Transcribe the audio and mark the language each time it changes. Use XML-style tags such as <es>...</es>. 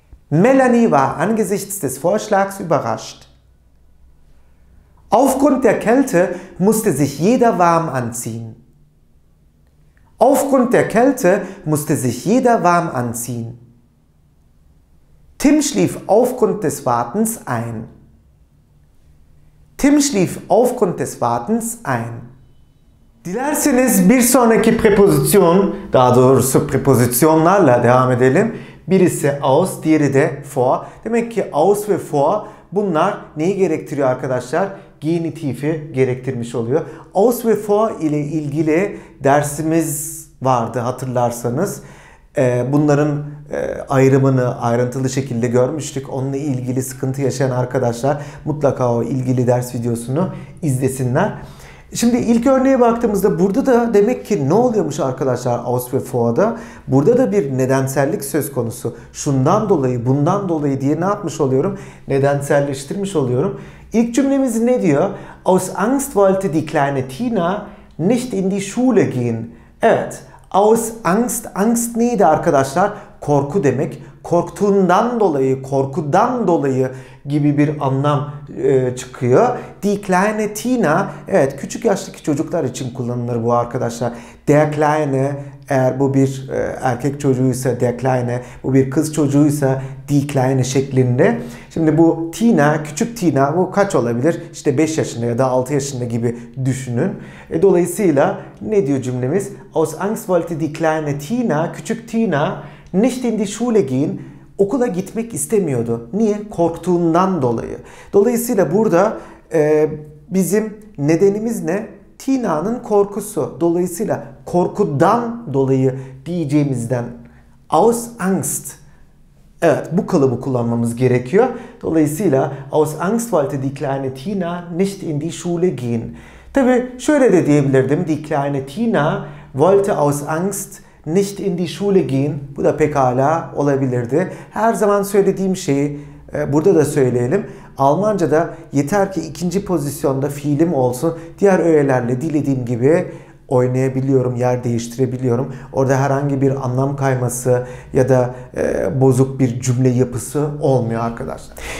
<de>Melanie war angesichts des Vorschlags überrascht. Aufgrund der Kälte musste sich jeder warm anziehen. Aufgrund der Kälte musste sich jeder warm anziehen. Tim schlief aufgrund des Wartens ein. Tim schlief aufgrund des Wartens ein.</de> <tr>Dilerseniz bir sonraki preposition, daha doğrusu prepositionlarla devam edelim. Birisi aus, diğeri de vor. Demek ki aus ve vor bunlar neyi gerektiriyor arkadaşlar? Genitif'i gerektirmiş oluyor. Aus ve vor ile ilgili dersimiz vardı hatırlarsanız. Bunların ayrımını ayrıntılı şekilde görmüştük. Onunla ilgili sıkıntı yaşayan arkadaşlar mutlaka o ilgili ders videosunu izlesinler. Şimdi ilk örneğe baktığımızda burada da demek ki ne oluyormuş arkadaşlar aus ve vor'da? Burada da bir nedensellik söz konusu. Şundan dolayı, bundan dolayı diye ne yapmış oluyorum? Nedenselleştirmiş oluyorum. İlk cümlemiz ne diyor?</tr> <de>Aus Angst wollte die kleine Tina nicht in die Schule gehen.</de> <tr>Evet.</tr> <de>Aus Angst.</de> <tr>Angst neydi arkadaşlar? Korku demek. Korktuğundan dolayı, korkudan dolayı gibi bir anlam çıkıyor. Die kleine Tina. Evet, küçük yaştaki çocuklar için kullanılır bu arkadaşlar. Der kleine. Eğer bu bir erkek çocuğuysa der kleine. Bu bir kız çocuğuysa die kleine şeklinde. Şimdi bu Tina, küçük Tina bu kaç olabilir? İşte 5 yaşında ya da 6 yaşında gibi düşünün. Dolayısıyla ne diyor cümlemiz?</tr> <de>Aus Angst wollte die kleine Tina,</de> <tr>küçük Tina,</tr> <de>nicht in die Schule gehen.</de> <tr>Okula gitmek istemiyordu. Niye? Korktuğundan dolayı. Dolayısıyla burada bizim nedenimiz ne? Tina'nın korkusu. Dolayısıyla korkudan dolayı diyeceğimizden.</tr> <de>Aus Angst.</de> <tr>Evet, bu kalıbı kullanmamız gerekiyor. Dolayısıyla</tr> <de>aus Angst wollte die kleine Tina nicht in die Schule gehen.</de> <tr>Tabii şöyle de diyebilirdim.</tr> <de>Die kleine Tina wollte aus Angst nicht in die Schule gehen.</de> <tr>Bu da pekala olabilirdi. Her zaman söylediğim şeyi burada da söyleyelim. Almanca'da yeter ki ikinci pozisyonda fiilim olsun. Diğer öğelerle dilediğim gibi oynayabiliyorum, yer değiştirebiliyorum. Orada herhangi bir anlam kayması ya da bozuk bir cümle yapısı olmuyor arkadaşlar.</tr>